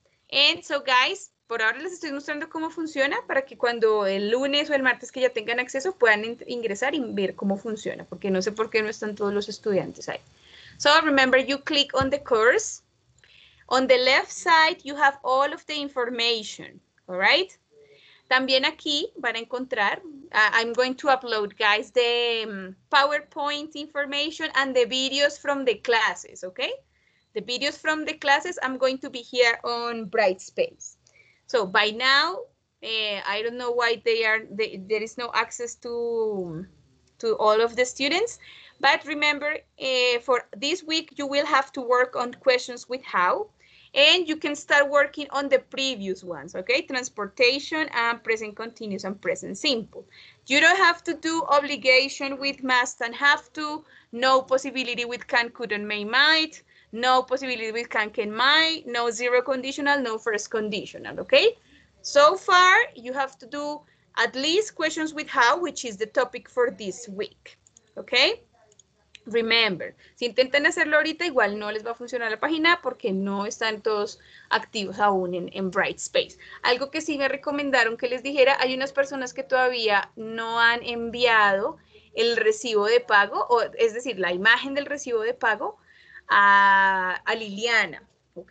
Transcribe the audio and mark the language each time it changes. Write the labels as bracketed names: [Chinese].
[English] And so, guys, [Spanish] por ahora les estoy mostrando cómo funciona para que cuando el lunes o el martes que ya tengan acceso puedan ingresar y ver cómo funciona, porque no sé por qué no están todos los estudiantes ahí. [English] So remember, you click on the course. On the left side, you have all of the information, all right? [Spanish] También aquí van a encontrar, [English] I'm going to upload, guys, the PowerPoint information and the videos from the classes, okay? The videos from the classes, I'm going to be here on Brightspace. So by now, I don't know why there is no access to all of the students. But remember, for this week, you will have to work on questions with how, and you can start working on the previous ones, okay? Transportation and present continuous and present simple. You don't have to do obligation with must and have to, no possibility with can, couldn't, may, might, no possibility with can, can, might, no zero conditional, no first conditional, okay? So far, you have to do at least questions with how, which is the topic for this week, okay? Remember, [Spanish] si intentan hacerlo ahorita, igual no les va a funcionar la página porque no están todos activos aún en Brightspace. Algo que sí me recomendaron que les dijera, hay unas personas que todavía no han enviado el recibo de pago, o es decir, la imagen del recibo de pago a Liliana, ¿ok?